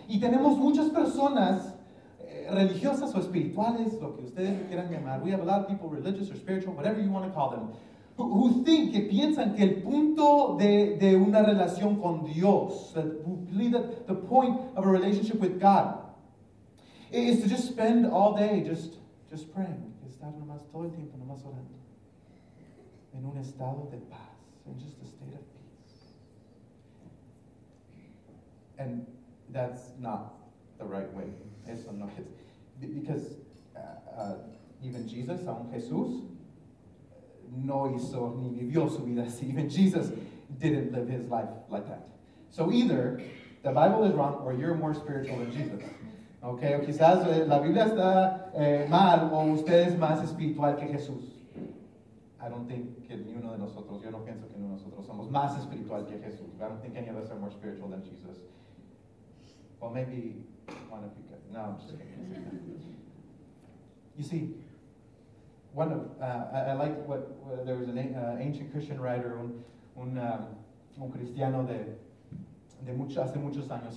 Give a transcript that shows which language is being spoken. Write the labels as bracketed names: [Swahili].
[Spanish] Y tenemos muchas personas religiosas o espirituales, lo que ustedes quieran llamar. [English] We have a lot of people, religious or spiritual, whatever you want to call them, who think, [Spanish] que piensan que el punto de una relación con Dios, [English] that the point of a relationship with God, is to just spend all day just praying. [Spanish] Estar nomás todo el tiempo, nomás orando. En un estado de paz. [English] In just a state of peace. And that's not the right way. [Spanish] Eso no es. [English] Because even Jesus, [Spanish] aun Jesús, no hizo ni vivió su vida así. [English] Even Jesus didn't live his life like that. So either the Bible is wrong or you're more spiritual than Jesus. [Spanish] Okay, o quizás la Biblia está mal o usted es más espiritual que Jesús. [English] I don't think [Spanish] que ni uno de nosotros, yo no pienso que ni uno de nosotros somos más espiritual que Jesús. [English] I don't think any of us are more spiritual than Jesus. Well, maybe one of you guys. No, I'm just kidding. You see, one of I like what there was an ancient Christian writer, [Spanish] un cristiano hace muchos años.